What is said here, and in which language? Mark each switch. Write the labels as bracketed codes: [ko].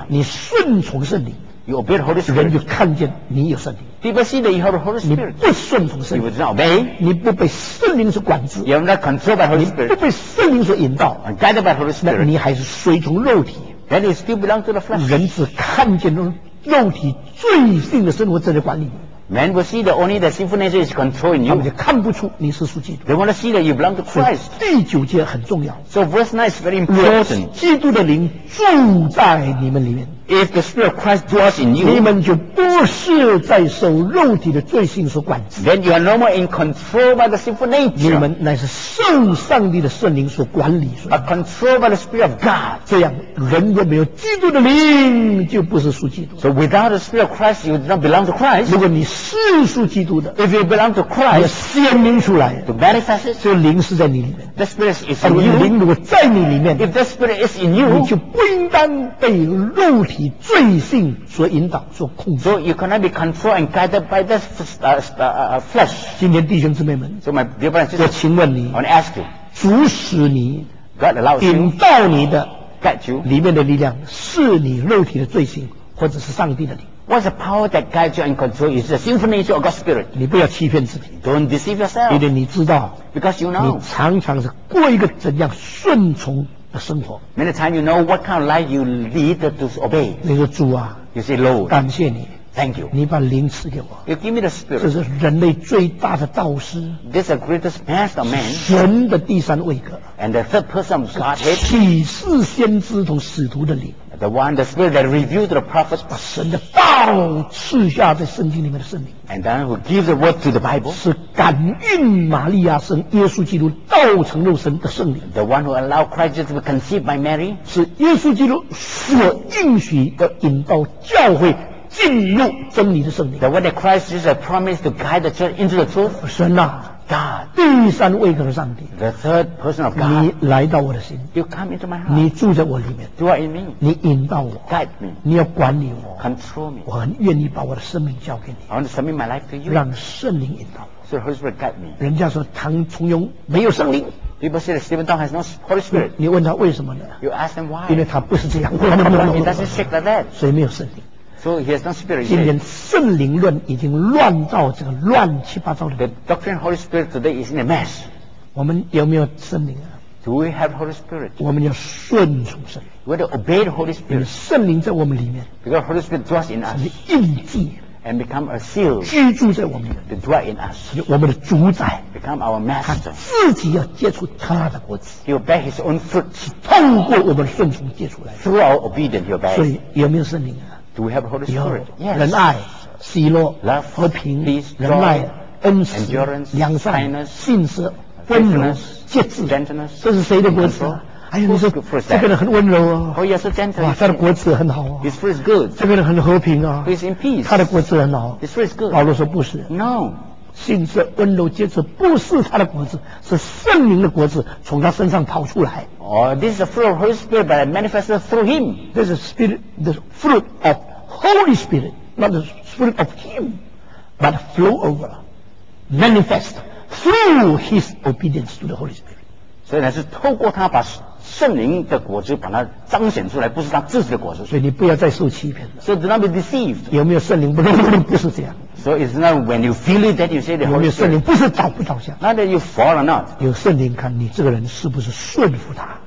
[zh] 你顺从圣灵。 [en] You obey the Holy Spirit. [zh] 人就看见你有圣灵。 [en] People see that you have the Holy Spirit. [zh] 你不顺从圣灵。 [en] You would not obey. [zh] 你不被圣灵所管制。 [en] You are not controlled by the Holy Spirit. [zh] 你不被圣灵所引导。 [en] And guided by the Holy Spirit. [zh] 你还是随从肉体。 [en] Then you still belong to the flesh. [zh] 人只看见肉体罪性的生活在管理你。 [en] Man will see that only the sinful nature is controlling you. [zh] 他们就看不出你是属基督。 [en] They want to see that you belong to Christ. [zh] 第九节很重要。 [en] So verse 9 is very important. [zh] 基督的灵住在你们里面。 [en] If the spirit of Christ dwells in you, [zh] 你们就不是在受肉体的罪性所管制。 [en] Then you are no more in control by the sinful nature. [zh] 你们乃是受上帝的圣灵所管理。 [en] But controlled by the spirit of God. [zh] 这样，人若没有基督的灵，就不是属基督。 [en] So without the spirit of Christ, you do not belong to Christ. [zh] 如果你是属基督的 [en] ，If you belong to Christ, [zh] 显明出来 [en] ，to manifest it, [zh] 这灵是在你里面。 [en] The spirit is in you. [zh] 灵如果在你里面 [en] ，If the spirit is in you, [zh] 你就不应当被肉体以罪性所引导所控制。 [en] So you cannot be controlled and guided by the flesh. [zh] 今天弟兄姊妹们， [en] so my dear brothers, [zh] 我请问你， [en] I want to ask you, [zh] 主使你 [en] God allows you, [zh] 引导你的 [en] guide you, [zh] 里面的力量是你肉体的罪性或者是上帝的灵。 [en] What's the power that guides you and controls you? Is the sinful nature of God's spirit. [zh] 你不要欺骗自己。 [en] Don't deceive yourself. [zh] 因为你知道， [en] because you know, [zh] 你常常是过一个怎样顺从。 [en] Many times you know what kind of life you lead to obey. [zh] 你说主啊， [en] you say Lord, [zh] 感谢你， [en] thank you. [zh] 你把灵赐给我， [en] you give me the spirit. [zh] 这是人类最大的导师， [en] this is the greatest master of man. [zh] 神的第三位格， [en] and the third person of Godhead. [zh] 启示先知同使徒的灵， [en] the one, the spirit that revealed to the prophets. [zh] 把神的道赐下在圣经里面的圣灵， [en] and then who gives the word to the Bible. [zh] 是感应玛利亚生耶稣基督道成肉身的圣灵， [en] the one who allowed Christ to be conceived by Mary. [zh] 是耶稣基督所应许的引导教会进入真理的圣灵， [en] the one that Christ Jesus promised to guide the church into the truth. [zh] 神啊， [en] God, [zh] 第三位格的上帝， [en] the third person of God. [zh] 你来到我的心， [en] you come into my heart. [zh] 你住在我里面， [en] dwell in me. [zh] 你引导我， [en] guide me. [zh] 你要管理我， [en] control me. [zh] 我很愿意把我的生命交给你， [en] I want to submit my life to you. [zh] 让圣灵引导我， [en] so the Holy Spirit guide me. [zh] 人家说唐崇庸没有圣灵， [en] people say that Stephen Tong has no Holy Spirit. [zh] 你问他为什么呢？ [en] You ask him why. [zh] 因为他不是这样， [en] he doesn't shake like that. [zh] 所以没有圣灵。 [en] So he has no spirit. [zh] 今天圣灵论已经乱造这个乱七八糟的。 [en] The doctrine of Holy Spirit today is in a mess. [zh] 我们有没有圣灵啊？ [en] Do we have Holy Spirit? [zh] 我们要顺从圣灵。 [en] We have to obey the Holy Spirit. [zh] 圣灵在我们里面。 [en] Because Holy Spirit dwells in us. [zh] 是印记。 [en] and become a seal， [zh] 居住在我们 [en] 的 dwell in us， [zh] 我们的主宰 [en] become our master， [zh] 他自己要结出他的果子， [en] he will bear his own fruit， [zh] 是透过我们的顺从结出来的， [en] through our obedience he will bear， [zh] 所以有没有圣灵啊？ [en] Do we have Holy Spirit？ Yes， [zh] 仁爱、喜乐、 [en] love、 [zh] 和平、 [en] peace、 [zh] 仁爱、恩慈、 [en] endurance、 [zh] 良善、 [en] kindness、 [zh] 信实、温柔、节制、 [en] gentleness， [zh] 这是谁的果子？哎呀，你说这个人很温柔啊，哇，他的国子很好啊。 [en] His fruit is good。 [zh] 这个人很和平啊。 [en] He's in peace。 [zh] 他的国子很好。 [en] His fruit is good。 [zh] 保罗说不是。 [en] No。 [zh] 信实温柔节制不是他的国子，是圣灵的国子从他身上跑出来。 [en] Oh, this is the fruit of Holy Spirit, but manifested through him. This is spirit, the fruit of Holy Spirit, not the fruit of him, but flow over, manifest through his obedience to the Holy Spirit。 [zh] 所以呢，是透过他把圣灵的果子把它彰显出来，不是他自己的果子，所以你不要再受欺骗了。 [en] So do not be deceived。 [zh] 有没有圣灵？不能，不是这样。 [en] So it's not when you feel it that you say the Holy Spirit。 [zh] 有没有圣灵？不是倒不倒下。 [en] Not that you fall or not。 [zh] 有圣灵，看你这个人是不是顺服他。